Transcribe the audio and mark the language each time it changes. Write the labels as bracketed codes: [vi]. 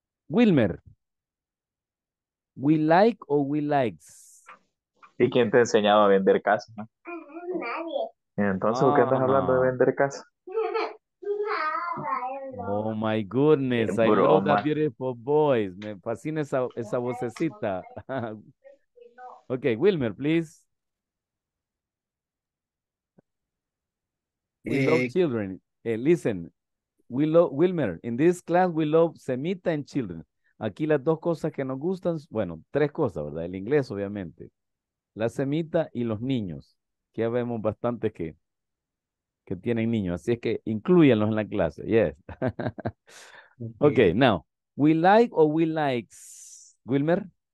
[en] Wilmer. We like or we likes? [es] ¿Y quién te ha enseñado a vender casa? No? Nadie. Entonces, ¿por qué estás hablando de vender casa? [en] Oh my goodness, I love that beautiful voice. [es] Me fascina esa vocecita. [en] Okay, Wilmer, please. We love children. Hey, listen, we love Wilmer. In this class, we love semita and children. [es] Aquí las dos cosas que nos gustan, bueno, tres cosas, ¿verdad? El inglés, obviamente. La semita y los niños. Que ya vemos bastante que tienen niños. Así es que incluyanlos en la clase. [en] Yes. Okay, now. We like or we likes? Wilmer?